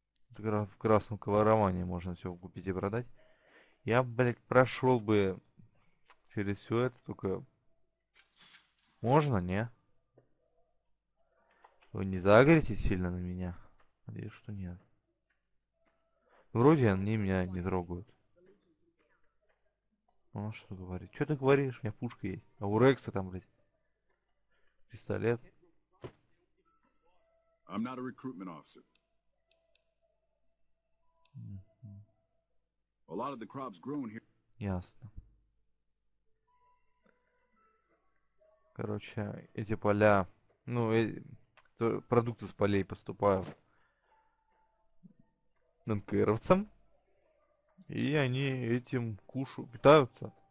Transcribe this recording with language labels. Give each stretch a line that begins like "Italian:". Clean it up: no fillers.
Russian: В красном коваромане можно все купить и продать. Я, блядь, прошел бы через все это, только... Можно, не? Вы не загорите сильно на меня? Надеюсь, что нет. Вроде они меня не трогают. Он что говорит? Что ты говоришь? У меня пушка есть. А у Рекса там, блядь, пистолет.
English: I'm not a recruitment officer. A lot of the crops grown here.
Russian: Ясно. Короче, эти поля, ну, продукты с полей поступают НКРовцам. И они этим кушают, питаются.